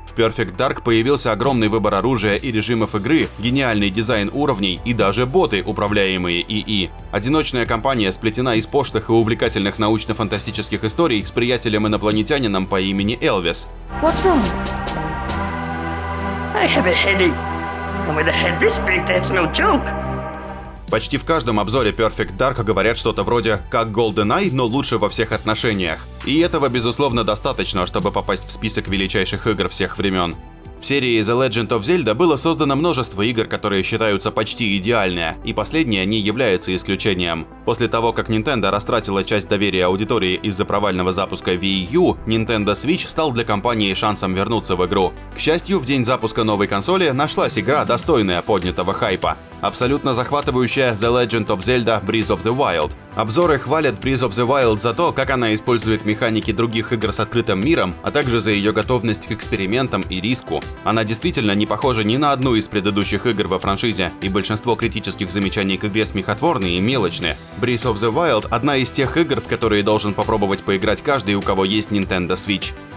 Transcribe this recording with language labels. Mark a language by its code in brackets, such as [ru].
[ru] В Perfect Dark появился огромный выбор оружия и режимов игры, гениальный дизайн уровней и даже боты, управляемые ИИ. Одиночная кампания сплетена из пошлых и увлекательных научно-фантастических историй с приятелем-инопланетянином по имени Элвис. [en] What's wrong? I have a headache. And with a head this big, that's no joke. [ru] Почти в каждом обзоре Perfect Dark говорят что-то вроде «как GoldenEye, но лучше во всех отношениях». И этого, безусловно, достаточно, чтобы попасть в список величайших игр всех времен. В серии The Legend of Zelda было создано множество игр, которые считаются почти идеальными, и последние не являются исключением. После того, как Nintendo растратила часть доверия аудитории из-за провального запуска Wii U, Nintendo Switch стал для компании шансом вернуться в игру. К счастью, в день запуска новой консоли нашлась игра, достойная поднятого хайпа. Абсолютно захватывающая The Legend of Zelda Breath of the Wild. Обзоры хвалят Breath of the Wild за то, как она использует механики других игр с открытым миром, а также за ее готовность к экспериментам и риску. Она действительно не похожа ни на одну из предыдущих игр во франшизе, и большинство критических замечаний к игре смехотворны и мелочны. Breath of the Wild — одна из тех игр, в которые должен попробовать поиграть каждый, у кого есть Nintendo Switch.